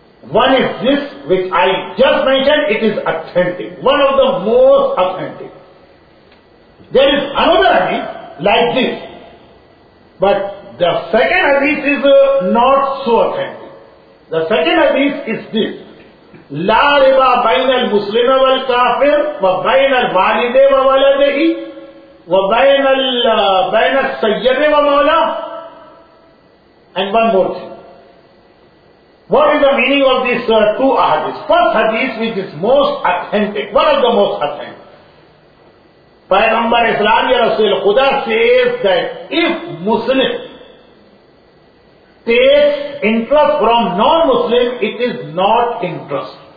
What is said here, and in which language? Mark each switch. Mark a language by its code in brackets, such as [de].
[en] One is this, which I just mentioned, it is authentic. One of the most authentic. There is another hadith like this. But the second hadith is not so authentic. The second hadith is this. [ar] لا ربا بين المسلم والكافر وبين الوالد وولده وبين بين السيد ومولاه. [en] And one more thing. What is the meaning of these two ahadiths? First hadith, which is most authentic, one of the most authentic. [ur] Paygamber Islam ya Rasul Khuda [en] says that if Muslim takes interest from non-Muslim, it is not interest.